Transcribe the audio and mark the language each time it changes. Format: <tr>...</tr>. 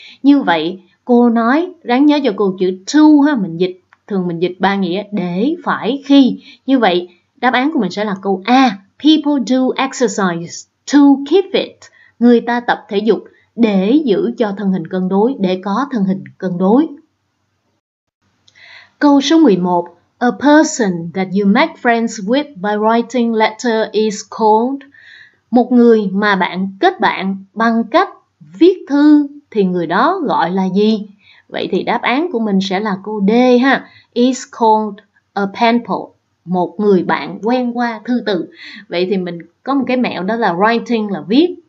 <vi>Như vậy, cô nói, ráng nhớ cho cô chữ to ha, mình dịch. Thường mình dịch ba nghĩa để, phải, khi. Như vậy, đáp án của mình sẽ là câu A.</vi> <en>People do exercise to keep fit.</en> <vi>Người ta tập thể dục để giữ cho thân hình cân đối, để có thân hình cân đối. Câu số 11.</vi> <en>A person that you make friends with by writing letter is called.</en> <vi>Một người mà bạn kết bạn bằng cách viết thư thì người đó gọi là gì? Vậy thì đáp án của mình sẽ là câu D ha.</vi> <en>Is called a pen pal.</en> <vi>Một người bạn quen qua thư từ. Vậy thì mình có một cái mẹo đó là writing là viết.</vi>